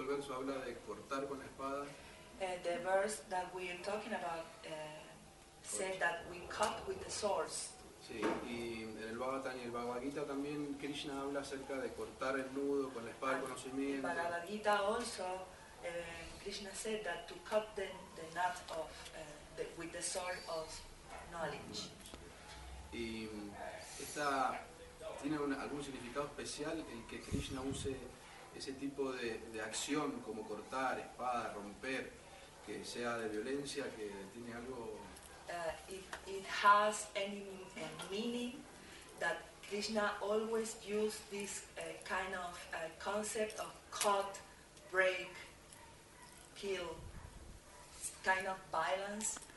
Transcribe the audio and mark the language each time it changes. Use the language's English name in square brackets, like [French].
[English] The verse that we are talking about said that we cut with the swords. [Spanish] Sí, y en el Bhagavatam y el Bhagavad Gita también Krishna habla acerca de cortar el nudo con la espada del conocimiento. [English] In Bhagavad Gita also, Krishna said that to cut the knot of with the sword of knowledge. [Spanish] Y esta tiene algún significado especial el que Krishna use ese tipo de acción como cortar espada, romper. que sea de violencia, que tiene algo. [English] It has any meaning that Krishna always used this kind of concept of cut, break, kill, kind of violence.